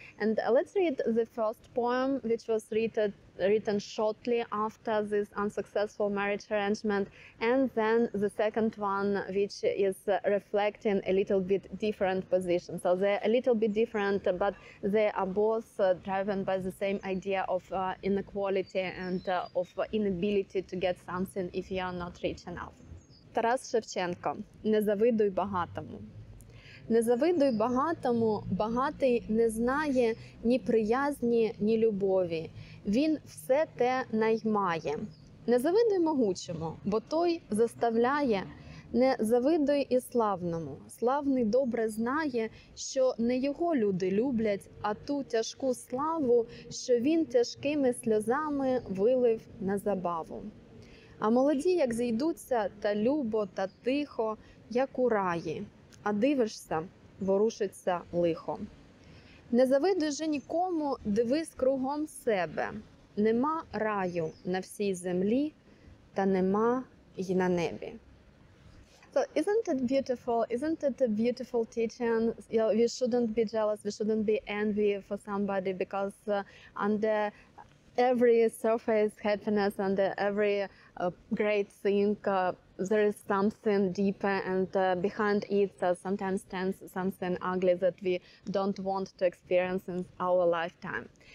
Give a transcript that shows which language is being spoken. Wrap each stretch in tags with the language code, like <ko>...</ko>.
<en>And let's read the first poem, which was written shortly after this unsuccessful marriage arrangement, and then the second one, which is reflecting a little bit different position. So they're a little bit different, but they are both driven by the same idea of inequality and of inability to get something if you are not rich enough.</en> <uk>Taras Shevchenko, «Не завидуй багатому». Не завидуй багатому, багатий не знає ні приязні, ні любові. Він все те наймає. Не завидуй могучому, бо той заставляє. Не завидуй і славному. Славний добре знає, що не його люди люблять, а ту тяжку славу, що він тяжкими сльозами вилив на забаву. А молоді, як зійдуться, та любо, та тихо, як у раї. А дивишся, ворушиться лихо. Не завидуй же нікому, дивись кругом себе. Нема раю на всій землі, та нема й на небі.</uk> <en>So isn't it beautiful? Isn't it a beautiful teaching? You know, we shouldn't be jealous, we shouldn't be envy for somebody, because under every surface happiness, under every great thing, there is something deeper, and behind it sometimes stands something ugly that we don't want to experience in our lifetime.</en>